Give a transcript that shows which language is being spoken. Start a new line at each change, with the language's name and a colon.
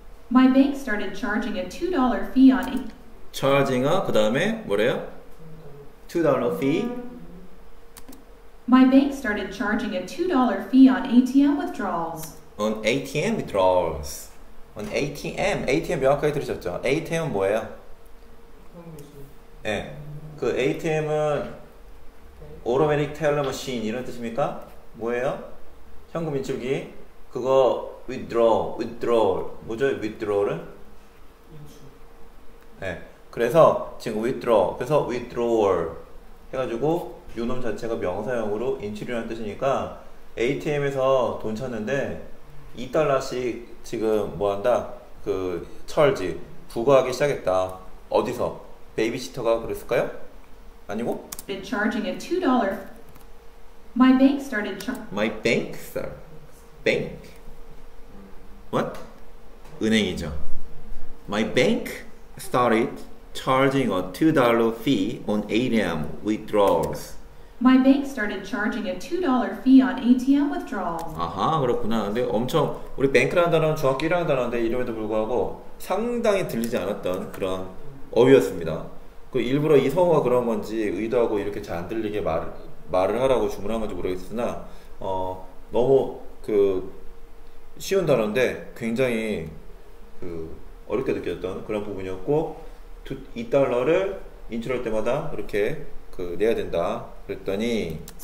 English: My bank started charging a $2 fee on it. Charging a,
Korean: 그 다음에 뭐래요?
English: $2 fee. My bank started charging a $2 fee on ATM withdrawals. On ATM withdrawals. On ATM.
Korean: ATM 명확하게 들으셨죠? ATM은 뭐예요? 예. 네. 그 ATM은 Automatic Teller Machine 이런 뜻입니까? 뭐예요? 현금 인출기. 그거 withdrawal. 뭐죠? withdrawal은? 예. 네. 그래서 지금 withdrawal. 그래서 withdrawal 해가지고 요놈 자체가 명사형으로 인출이라는 뜻이니까 ATM에서 돈 찾는데 2달러씩 지금 뭐한다? 그 철지 부과하기 시작했다. 어디서? 베이비시터가 그랬을까요? 아니고?
English: Been charging a $2. My bank started My bank, sir. Bank. What?
Korean: 은행이죠.
English: My bank started charging a $2 fee on ATM withdrawals. My bank started charging a $2 fee on ATM withdrawals.
Korean: 아하, 그렇구나. 근데 엄청 우리 뱅크라는 단어는 정확히 1이라는 단어인데 이름에도 불구하고 상당히 들리지 않았던 그런 어휘였습니다. 그 일부러 이 성우가 그런 건지 의도하고 이렇게 잘 안 들리게 말을 하라고 주문한 건지 모르겠으나 너무 그 쉬운 단어인데 굉장히 그 어렵게 느꼈던 그런 부분이었고 $2를 인출할 때마다 그렇게 그 내야 된다 그랬더니